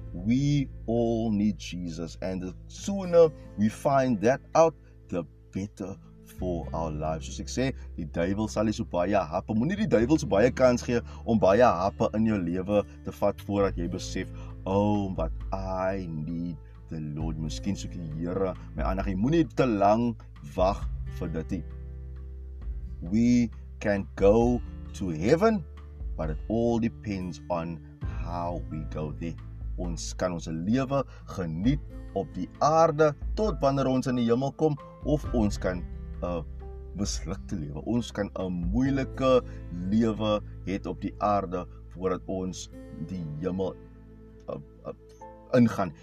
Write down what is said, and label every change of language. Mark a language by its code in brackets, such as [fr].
[en] We all need Jesus, and the sooner we find that out, the better for our lives. [af] Soos ek sê, die duivel sal nie so baie happe, moet nie die duivel so baie kans gee om baie happe in jou leven te vat voordat jy besef, oh, [en] but I need the Lord. [af] Misschien soek die Here my aandag, jy moet nie te lang wag vir dit nie. [en] We can go to heaven, but it all depends on how we go there. [af] Ons kan ons lewe geniet op die aarde tot wanneer ons in die hemel kom, of ons kan 'n mislukte lewe. Ons kan 'n moeilike lewe hê op die aarde voordat ons die hemel ingaan.